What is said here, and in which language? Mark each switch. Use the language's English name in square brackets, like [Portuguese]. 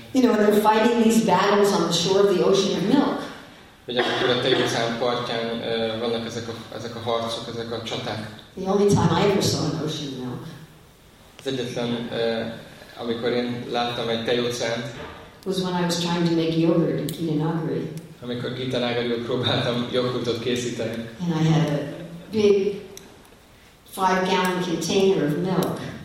[English] You know, they're fighting these battles on the shore of the ocean of milk. [Hungarian] Vagy akkor a tejfaszán partján vannak ezek a harcok, ezek a csaták. [English] The only time I ever saw an ocean milk. [Hungarian] Az egyetlen, amikor én láttam egy tejfaszánt. [English] Was when I was trying to make yogurt in Kitanagari. [Hungarian] Amikor Kitanagariból próbáltam joghurtot készíteni. [English] And I had a big 5-gallon container of milk.